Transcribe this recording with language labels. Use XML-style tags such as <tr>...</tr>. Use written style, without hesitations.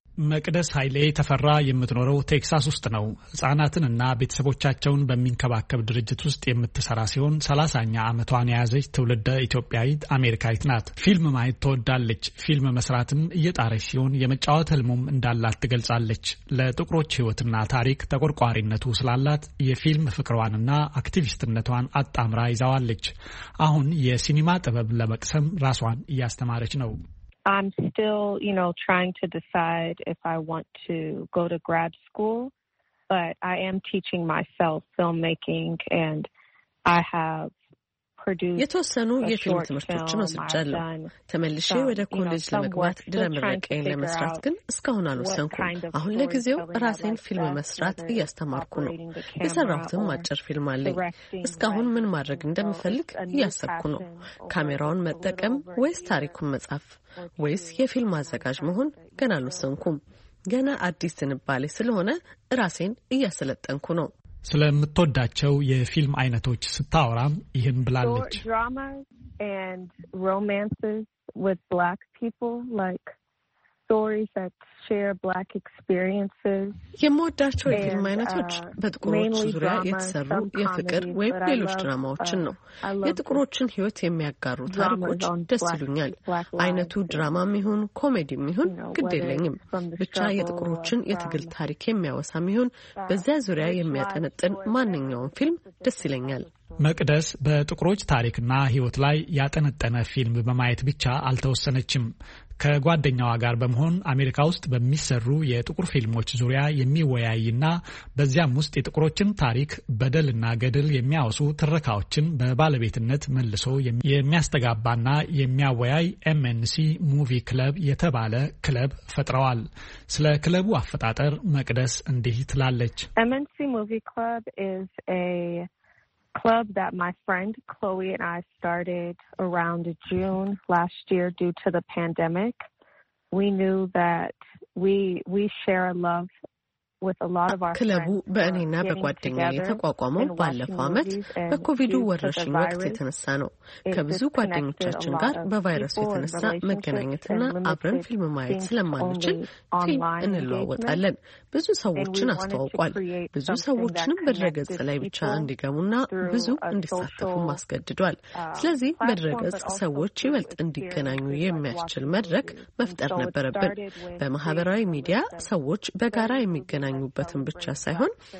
<am>መቅደስ ኃይሌ ተፈራ የምትኖረው ቴክሳስ ውስጥ ነው። ህጻናትንና ቤተሰቦቻቸውን በሚንከባከብ ድርጅት ውስጥ የምትሰራ ሲሆን 30ኛ አመቷን የያዘች ትውልደ ኢትዮጵያዊት አሜሪካዊት ናት። ፊልም ማየት ተወዳለች። ፊልም መስራትን እየጣረች ሲሆን የመጫወት ህልሙም እንዳላት ትገልጻለች። ለጥቁሮች ህይወትና ታሪክ ተቆርቋሪነቱ ስላላት የፊልም ፍቅሯንና አክቲቪስትነቷን አጣምራ ይዛዋለች። አሁን የሲኒማ ጥበብ ለመቅሰም ራስዋን እያስተማረች ነው።</am> <en>I'm still, you know, trying to decide if I want to go to grad school, but I am teaching myself filmmaking and I have produced</en> <am>የተወሰኑ የፊልም ትምህርቶችን ወስጃለሁ። ተመልሼ ወደ ኮሌጅ ለመግባት ድረምረቀኝ ለመስራት ግን እስካሁን አልወሰንኩም። አሁን ለጊዜው ራሴን ፊልም መስራት እያስተማርኩ ነው። የሰራሁትም አጭር ፊልም አለኝ። እስካሁን ምን ማድረግ እንደምፈልግ እያሰብኩ ነው። ካሜራውን መጠቀም ወይስ ታሪኩን መጻፍ ወይስ የፊልም አዘጋጅ መሆን ገና አልወሰንኩም። ገና አዲስ ትንባሌ ስለሆነ ራሴን እያሰለጠንኩ ነው። ስለምትወዳቸው የፊልም አይነቶች ስታወራም ይሄን ብላለች።</am> <en>Dramas and romances with black people, like stories that share black experiences.</en> <am>የሞዳቸው የፊልም አይነቶች በጥቁሮች ዙሪያ የተሰሩ የፍቅር ወይም ሌሎች ድራማዎችን ነው። የጥቁሮችን ህይወት የሚያጋሩ ታሪኮች ደስ ይሉኛል። አይነቱ ድራማም ይሁን ኮሜዲም ይሁን ግድ የለኝም። ብቻ የጥቁሮችን የትግል ታሪክ የሚያወሳም ይሁን በዛ ዙሪያ የሚያጠነጥን ማንኛውም ፊልም ደስ ይለኛል። መቅደስ በጥቁሮች ታሪክና ህይወት ላይ ያጠነጠነ ፊልም በማየት ብቻ አልተወሰነችም። ከጓደኛዋ ጋር በመሆን አሜሪካ ውስጥ በሚሰሩ የጥቁር ፊልሞች ዙሪያ የሚወያይና በዚያም ውስጥ የጥቁሮችን ታሪክ በደልና ገድል የሚያወሱ ትረካዎችን በባለቤትነት መልሶ የሚያስተጋባና የሚያወያይ MNC ሙቪ ክለብ የተባለ ክለብ ፈጥረዋል። ስለ ክለቡ አፈጣጠር መቅደስ እንዲህ ትላለች።</am> <en>MNC ሙቪ ክለብ is a club that my friend Chloe and I started around June last year due to the pandemic. We knew that we share a love</en> <am>ክለቡ በእኔና በጓደኛዬ የተቋቋመው ባለፈው አመት በኮቪድ ወረርሽኝ ወቅት የተነሳ ነው። ከብዙ ጓደኞቻችን ጋር በቫይረሱ የተነሳ መገናኘትና አብረን ፊልም ማየት ስለማንችል ፊልም እንለዋወጣለን። ብዙ ሰዎችን አስተዋውቋል። ብዙ ሰዎችንም በድረገጽ ላይ ብቻ እንዲገሙና ብዙ እንዲሳተፉ ማስገድዷል። ስለዚህ በድረገጽ ሰዎች ይበልጥ እንዲገናኙ የሚያስችል መድረክ መፍጠር ነበረብን። በማህበራዊ ሚዲያ ሰዎች በጋራ የሚገናኙበትን ብቻ ሳይሆን</am>